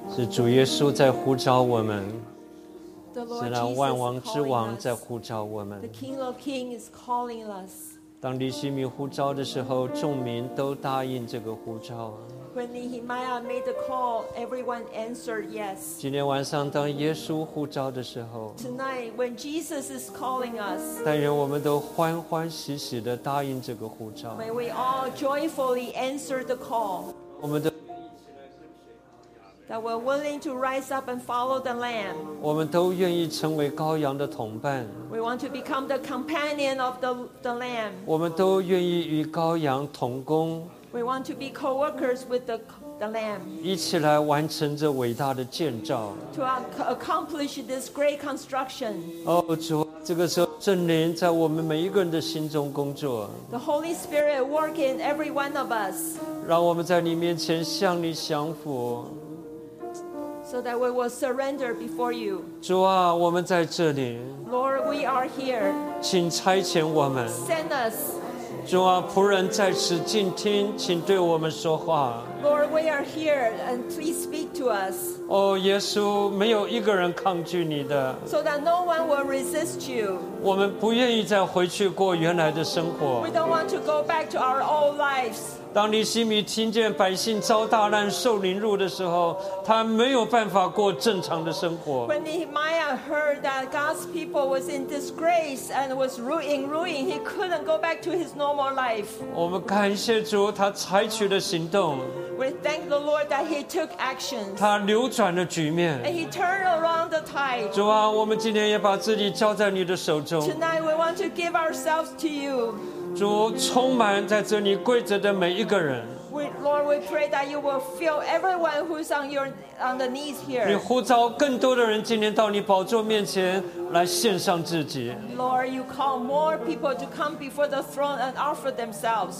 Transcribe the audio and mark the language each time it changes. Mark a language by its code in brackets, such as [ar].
[zh] 主耶稣在呼召我们，是那万王之王在呼召我们。 [en] The King of Kings is calling us. [zh] 当尼希米呼召的时候，众民都答应这个呼召。 [en] When Nehemiah made the call, everyone answered yes. [zh] 今天晚上当耶稣呼召的时候 [en] ，Tonight when Jesus is calling us. [zh] 但愿我们都欢欢喜喜的答应这个呼召。 [en] May we all joyfully answer the call. [zh] 我们的。 [en] That we're willing to rise up and follow the Lamb. [zh] 我们都愿意成为羔羊的同伴。 [en] We want to become the companion of the Lamb. [zh] 我们都愿意与羔羊同工。 [en] We want to be co-workers with the Lamb. [zh] 一起来完成这伟大的建造。 [en] To accomplish this great construction. [zh] 哦，主，这个时候圣灵在我们每一个人的心中工作。 [en] The Holy Spirit work in every one of us. [zh] 让我们在你面前向你降服。 [en] So that we will surrender before you. [zh] 主啊，我们在这里。 [en] Lord, we are here. [zh] 请差遣我们。 [en] Send us. [zh] 主啊，仆人在此静听，请对我们说话。 [en] Lord, we are here, and please speak to us. [zh] 哦，耶稣，没有一个人抗拒你的。 [en] So that no one will resist you. [zh] 我们不愿意再回去过原来的生活。 [en] We don't want to go back to our old lives. [zh] 当尼希米听见百姓遭大难、受凌辱的时候，他没有办法过正常的生活。 [en] When Nehemiah heard that God's people was in disgrace and was in ruin, he couldn't go back to his normal life. [zh] 我们感谢主，他采取了行动。 [en] We thank the Lord that He took action. [zh] 他扭转了局面。 [en] And He turned around the tide. [zh] 主啊，我们今天也把自己交在你的手中。 [en] Tonight we want to give ourselves to you. [zh] 主，充满在这里跪着的每一个人。 [en] Lord, we pray that you will fill everyone who's on the knees here. [zh] 你呼召更多的人今天到你宝座面前来献上自己。 [en] Lord, you call more people to come before the throne and offer themselves.